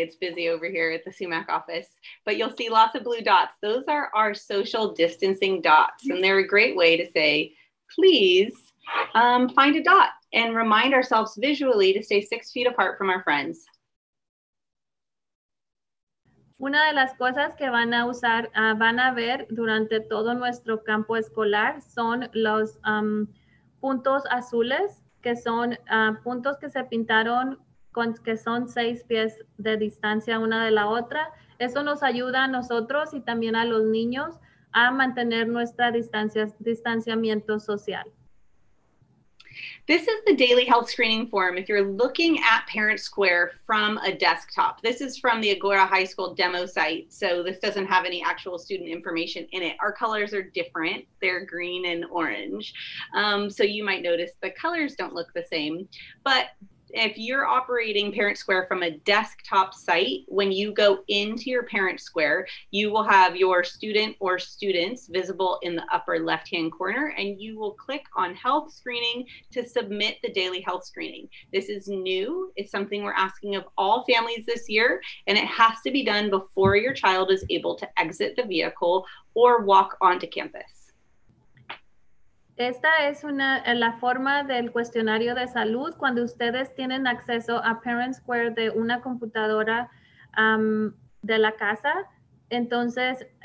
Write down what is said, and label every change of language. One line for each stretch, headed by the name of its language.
English: It's busy over here at the SUMAC office. But you'll see lots of blue dots. Those are our social distancing dots. And they're a great way to say, please find a dot. And remind ourselves visually to stay 6 feet apart from our friends.
Spanish: Una de las cosas que van a usar, van a ver durante todo nuestro campo escolar son los puntos azules, que son puntos que se pintaron con que son 6 pies de distancia una de la otra. Eso nos ayuda a nosotros y también a los niños a mantener nuestra distanciamiento social.
English: This is the daily health screening form if you're looking at Parent Square from a desktop. This is from the Agora High School demo site, so this doesn't have any actual student information in it. Our colors are different. They're green and orange. So you might notice the colors don't look the same. But if you're operating Parent Square from a desktop site, when you go into your Parent Square, you will have your student or students visible in the upper left-hand corner, and you will click on health screening to submit the daily health screening. This is new. It's something we're asking of all families this year, and it has to be done before your child is able to exit the vehicle or walk onto campus.
Spanish: Esta es una, la forma del cuestionario de salud. Cuando ustedes tienen acceso a Parent Square de una computadora de la casa, entonces